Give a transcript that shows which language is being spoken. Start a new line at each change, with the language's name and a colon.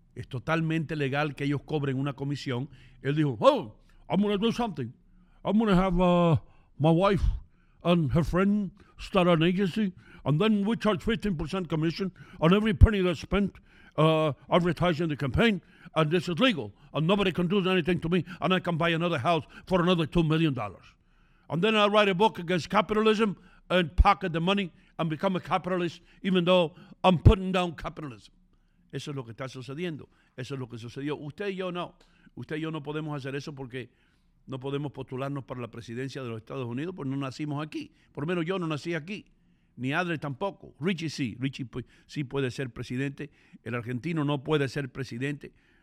Spanish: Es totalmente legal que ellos cobren una comisión. Él dijo,
English: oh, I'm going to do something. I'm going to have my wife and her friend start an agency, and then we charge 15% commission on every penny that's spent advertising the campaign, and this is legal, and nobody can do anything to me, and I can buy another house for another $2 million. And then I write a book against capitalism and pocket the money and become a capitalist, even though I'm putting down capitalism.
Spanish: Eso es lo que está sucediendo. Eso es lo que sucedió. Usted y yo no. Usted y yo no podemos hacer eso porque no podemos postularnos para la presidencia de los Estados Unidos porque no nacimos aquí. Por lo menos yo no nací aquí. Ni Adler tampoco. Richie sí. Richie sí puede ser presidente. El argentino no puede ser presidente.